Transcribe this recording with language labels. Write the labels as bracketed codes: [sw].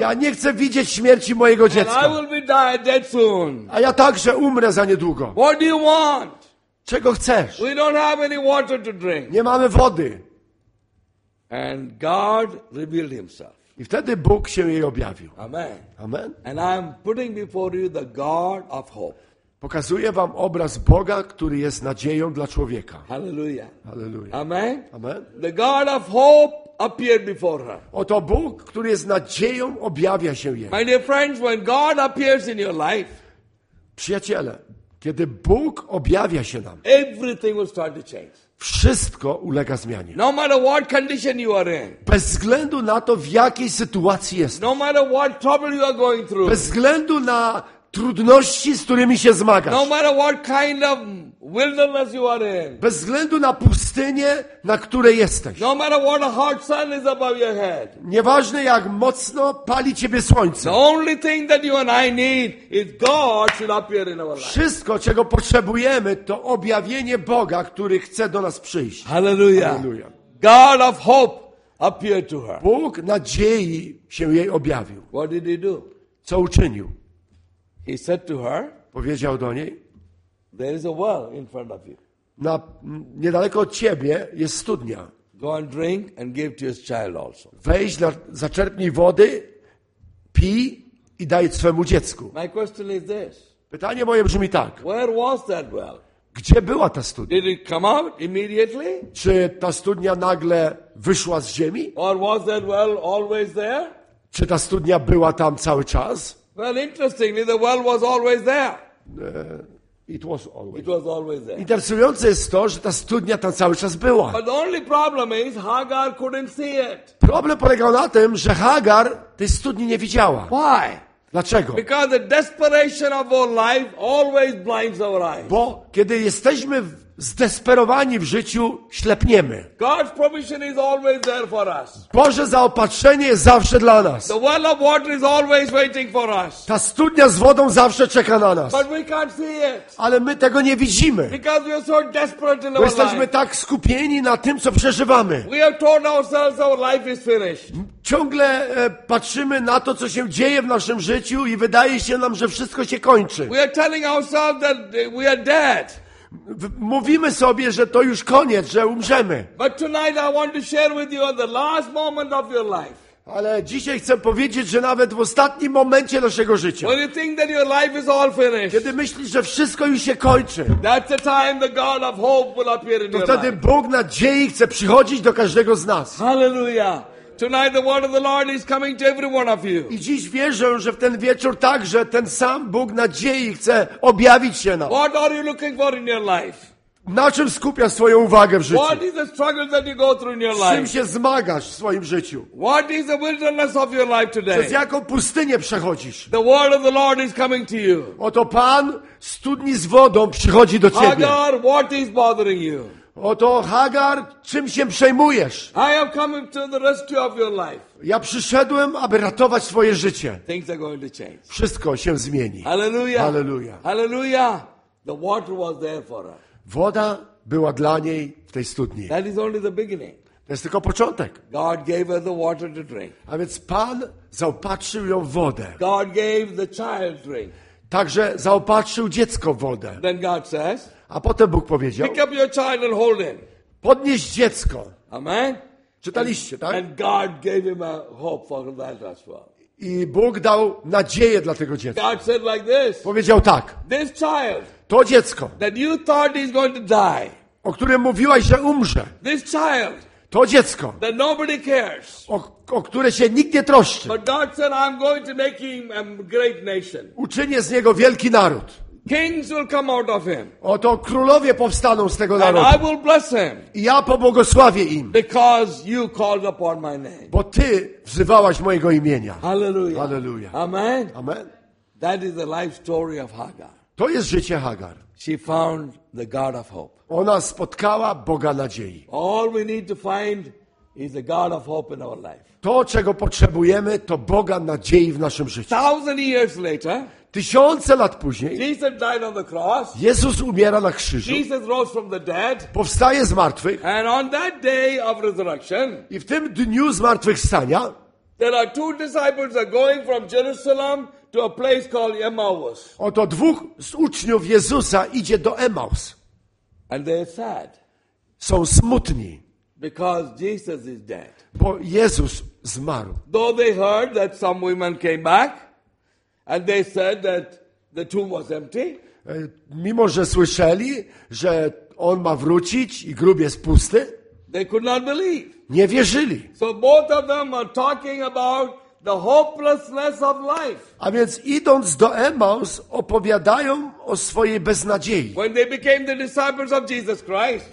[pl] Ja nie chcę widzieć śmierci mojego dziecka. [en] And I will be dead soon. [pl] A ja także umrę za niedługo. [en] What do you want? [pl] Czego chcesz? [en] We don't have any water to drink. [pl] Nie mamy wody. [en] And God revealed himself. [pl] I wtedy Bóg się jej objawił. [en] Amen. [pl] Amen. [en] And I'm putting before you the God of hope. [pl] Pokazuję wam obraz Boga, który jest nadzieją dla człowieka. [en] Hallelujah. [pl] Hallelujah. [en] Amen. [pl] Amen. [en] The God of hope appeared before her. [pl] Oto Bóg, który jest nadzieją, objawia się jej. [en] My dear friends, when God appears in your life, [pl] przyjaciele, kiedy Bóg objawia się nam, [en] everything will start to change. [pl] Wszystko ulega zmianie. [en] No matter what condition you are in. [pl] Bez względu na to, w jakiej sytuacji jesteś. [en] No matter what trouble you are going through. [pl] Bez względu na trudności, z którymi się zmagasz. [en] No matter what kind of wilderness you are in. [pl] Bez względu na pustynię, na której jesteś. [en] No matter what a hot sun is above your head. [pl] Nieważne, jak mocno pali ciebie słońce. [en] The only thing that you and I need is God should appear in our life. [pl] Wszystko, czego potrzebujemy, to objawienie Boga, który chce do nas przyjść. [en] Hallelujah. [pl] Hallelujah. [en] God of hope appeared to her. [pl] Bóg nadziei się jej objawił. [en] What did he do? [pl] Co uczynił? [en] He said to her, [pl] powiedział do niej, [en] there is a well in front of you. [pl] Na niedaleko od ciebie jest studnia. [en] Go and drink and give to your child also. [pl] Wejdź, zaczerpnij wody, pij i daj swemu dziecku. [en] My question is this. [pl] Pytanie moje brzmi tak. [en] Where was that well? [pl] Gdzie była ta studnia? [en] Did it come out immediately? [pl] Czy ta studnia nagle wyszła z ziemi? [en] Or was that well always there? [pl] Czy ta studnia była tam cały czas? [en] Well, interestingly, the well was always there. It was always. It was always there. [pl] Interesujące jest to, że ta studnia tam cały czas była. [en] But the only problem is Hagar couldn't see it. [pl] Problem polegał na tym, że Hagar tej studni nie widziała. [en] Why? [pl] Dlaczego? [en] Because the desperation of our life always blinds our eyes. [pl] Bo kiedy jesteśmy zdesperowani w życiu, ślepniemy. [en] God's provision is always there for us. [pl] Boże zaopatrzenie jest zawsze dla nas. [en] The well of water is always waiting for us. [pl] Ta studnia z wodą zawsze czeka na nas. [en] But we can't see it. [pl] Ale my tego nie widzimy. [en] Because we are so desperate in our [pl] jesteśmy [en] life. [pl] Tak skupieni na tym, co przeżywamy. [en] We have told ourselves our life is finished. [pl] Ciągle patrzymy na to, co się dzieje w naszym życiu i wydaje się nam, że wszystko się kończy. [en] We are telling ourselves that we are dead. [pl] Mówimy sobie, że to już koniec, że umrzemy. [en] But tonight I want to share with you the last moment of your life. [pl] Ale dzisiaj chcę powiedzieć, że nawet w ostatnim momencie naszego życia, [en] when you think that your life is all finished, [pl] kiedy myślisz, że wszystko już się kończy, [en] that's the time the God of hope will appear in your life. [pl] To wtedy Bóg nadziei chce przychodzić do każdego z nas. [en] Hallelujah. Tonight the word of the Lord is coming to every one of you. [pl] I dziś wierzę, że w ten wieczór także ten sam Bóg nadziei chce objawić się nam. [en] What are you looking for in your life? [pl] Na czym skupiasz swoją uwagę w życiu? [en] What is the struggle that you go through in your life? [pl] Czym się zmagasz w swoim życiu? [en] What is the wilderness of your life today? [pl] Przez jaką pustynię przechodzisz? [en] The word of the Lord is coming to you. [pl] Oto Pan studni z wodą przychodzi do ciebie. [en] Hagar, what is bothering you? [pl] Oto Hagar, czym się przejmujesz? [en] I have come to the rescue of your life. [pl] Ja przyszedłem, aby ratować swoje życie. [en] Things are going to change. [pl] Wszystko się zmieni. [en] Hallelujah. [pl] Hallelujah. Hallelujah. [en] The water was there for her. [pl] Woda była dla niej w tej studni. [en] That is only the beginning. [pl] To jest tylko początek. [en] God gave her the water to drink. [pl] A więc Pan zaopatrzył ją w wodę. [en] God gave the child drink. [pl] Także zaopatrzył dziecko w wodę. [en] Then God says, [pl] a potem Bóg powiedział, [en] pick up your child and hold him. [pl] Podnieś dziecko. [en] Amen. [pl] Czytaliście, [en] and, [pl] tak? [en] And God gave him a hope for that as well. [pl] I Bóg dał nadzieję dla tego dziecka. [en] God said like this. [pl] Powiedział tak. [en] This child, [pl] to dziecko, [en] that you thought is going to die, [pl] o którym mówiłaś, że umrze. [en] This child, [pl] to dziecko, [en] that nobody cares, [pl] o które się nikt nie troszczy. [en] But God said, I'm going to make him a great nation. [pl] Uczynię z niego wielki naród. [en] Kings will come out of him. [pl] Oto królowie powstaną z tego narodu. [en] And I will bless him. [pl] I ja pobłogosławię im. [en] Because you called upon my name. [pl] Bo ty wzywałaś mojego imienia. [en] Hallelujah. [pl] Hallelujah. [en] Amen. [pl] Amen. [en] That is the life story of Hagar. [pl] To jest życie Hagar. [en] She found the God of hope. [pl] Ona spotkała Boga nadziei. [en] All we need to find is the God of hope in our life. [pl] To, czego potrzebujemy, to Boga nadziei w naszym życiu. [en] Thousand years later, [pl] tysiące lat później, [en] Jesus died on the cross, [pl] Jezus umiera na krzyżu, [en] Jesus rose from the dead, [pl] powstaje z martwych, [en] and on that day of resurrection, [pl] i w tym dniu zmartwychwstania, [en] there are two disciples that are going from Jerusalem to a place called Emmaus. [pl] Oto dwóch z uczniów Jezusa idzie do Emmaus. [en] And they are sad. [pl] Są smutni. [en] Because Jesus is dead. [pl] Bo Jezus zmarł. [en] Though they heard that some women came back and they said that the tomb was empty. [pl] Mimo że słyszeli, że on ma wrócić i grób jest pusty. [en] They could not believe. [pl] Nie wierzyli. [en] So both of them are talking about the hopelessness of life. [pl] A więc idąc do Emmaus, opowiadają o swojej beznadziei. [en] When they became the disciples of Jesus Christ,